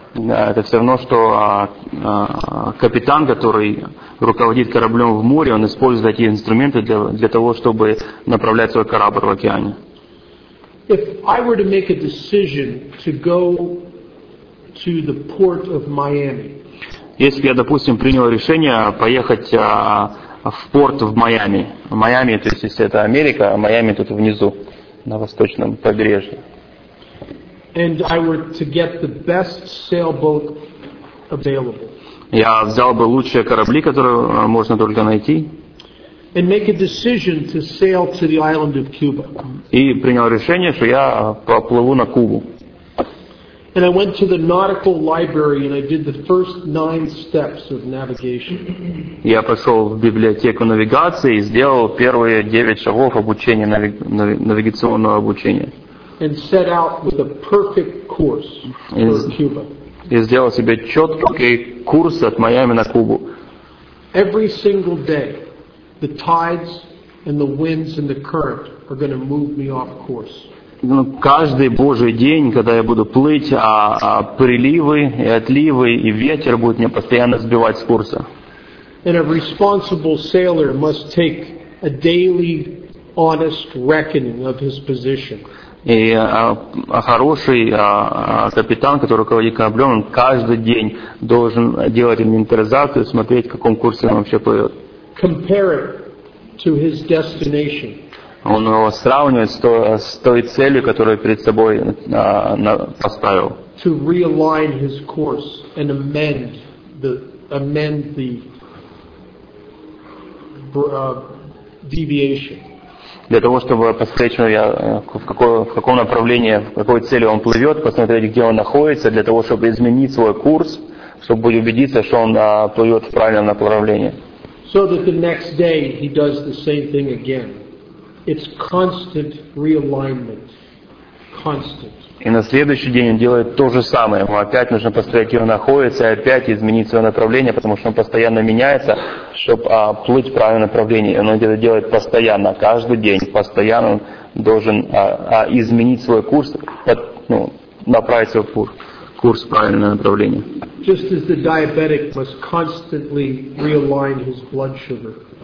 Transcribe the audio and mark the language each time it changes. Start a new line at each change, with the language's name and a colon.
Russian: Это все равно, что капитан, который руководит кораблем в море, он использует эти инструменты для того, чтобы направлять свой корабль в океане.
English: If I were to make a decision to go to the port of Miami.
Russian: Если я, допустим, принял решение поехать в порт в Майами. Майами, то есть если это Америка, а Майами тут внизу, на восточном побережье.
English: And I were to get the best sailboat available.
Russian: Я взял бы лучшие корабли, которые можно только найти.
English: And make a decision to sail to the island of Cuba.
Russian: И принял решение, что я поплыву на Кубу.
English: And I went to the nautical library and I did the first 9 steps of navigation.
Russian: Я пошел в библиотеку навигации и сделал первые 9 шагов обучения навигационного обучения.
English: and set out with a perfect course for Cuba.
Russian: И сделал себе четкий курс от Майами на Кубу.
English: Every single day, the tides and the winds and the current are going to move me off course.
Russian: Ну, каждый Божий день, когда я буду плыть, а приливы и отливы и ветер будут меня постоянно сбивать с курса.
English: And a responsible sailor must take a daily honest reckoning of his position.
Russian: И хороший капитан, который руководит кораблем, он каждый день должен делать инвентаризацию, смотреть, в каком курсе он вообще плывет.
English: Compare it to his destination.
Russian: Он его сравнивает с той целью, которую перед собой поставил.
English: To realign his course and amend the deviation.
Russian: Для того, чтобы посмотреть, в каком направлении, в какой цели он плывет, посмотреть, где он находится, для того, чтобы изменить свой курс, чтобы убедиться, что он плывет в правильном направлении.
English: So that the next day he does the same thing again. It's constant realignment. Constant.
Russian: И на следующий день он делает то же самое. Ему опять нужно посмотреть, где он находится, и опять изменить свое направление, потому что он постоянно меняется, чтобы плыть в правильном направлении. Он это делает постоянно, каждый день. Постоянно он должен изменить свой курс, направить свой курс в правильное направление.
English: Just as the diabetic must constantly realign his blood sugar.